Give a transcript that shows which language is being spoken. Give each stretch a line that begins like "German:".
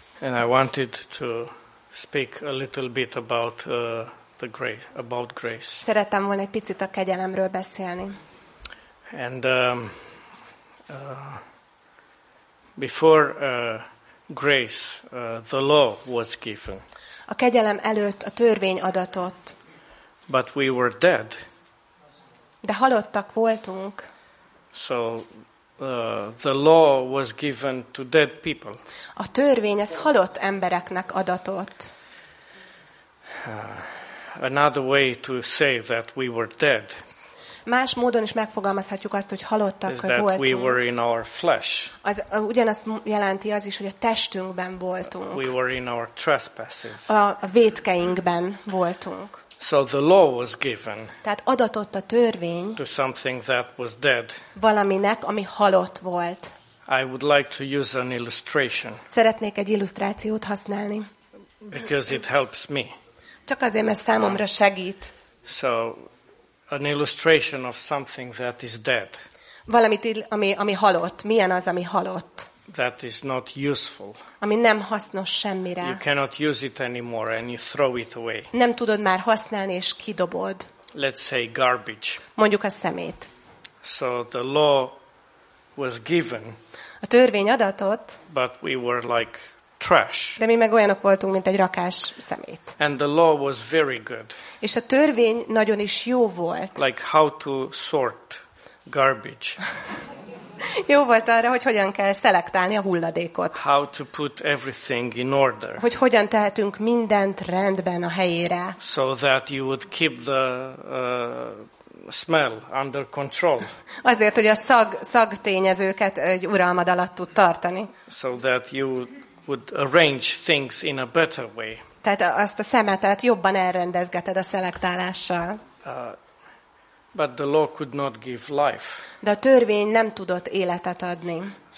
English: And I wanted to speak a little bit about the grace, about grace.
Hungarian: Szerettem volna egy picit a kegyelemről beszélni.
English: And before grace, the law was given.
Hungarian: A kegyelem előtt a törvény adatott.
English: But we were dead.
Hungarian: De halottak voltunk.
English: So the law was given to dead people.
Hungarian: A törvény az halott embereknek adatott.
English: Another way to say that we were dead.
Hungarian: Más módon is megfogalmazhatjuk azt, hogy halottak is voltunk.
English: We were in our flesh.
Hungarian: Az ugyanazt jelenti az is, hogy a testünkben voltunk.
English: We were in our trespasses.
Hungarian: A vétkeinkben voltunk.
English: So the law was given.
Hungarian: Tehát adatott a törvény.
English: To something that was dead.
Hungarian: Valaminek, ami halott volt.
English: I would like to use an illustration.
Hungarian: Szeretnék egy illusztrációt használni.
English: Because it helps me.
Hungarian: Csak azért, mert számomra segít.
English: So an illustration of something that is dead.
Hungarian: Valamit, ami halott. Milyen az, ami halott?
English: That is not useful.
Hungarian: Ami nem hasznos semmire.
English: You cannot use it anymore and you throw it away.
Hungarian: Nem tudod már használni és kidobod.
English: Let's say garbage.
Hungarian: Mondjuk a szemét.
English: So the law was given.
Hungarian: A törvény adatott.
English: But we were like trash.
Hungarian: De mi meg olyanok voltunk, mint egy rakás szemét.
English: And the law was very good.
Hungarian: És a törvény nagyon is jó volt.
English: Like how to sort garbage.
Hungarian: Jó volt arra, hogy hogyan kell szelektálni a hulladékot.
English: How to put everything in order.
Hungarian: Hogy hogyan tehetünk mindent rendben a helyére.
English: So that you would keep the smell under control.
Hungarian: Azért, hogy a szag tényezőket egy uralmad alatt tud tartani.
English: So that you would arrange things in a better way.
Hungarian: Tehát azt a szemetet jobban elrendezgeted a szelektálással.
English: But the law could not give life.
Hungarian: De a törvény nem tudott életet adni.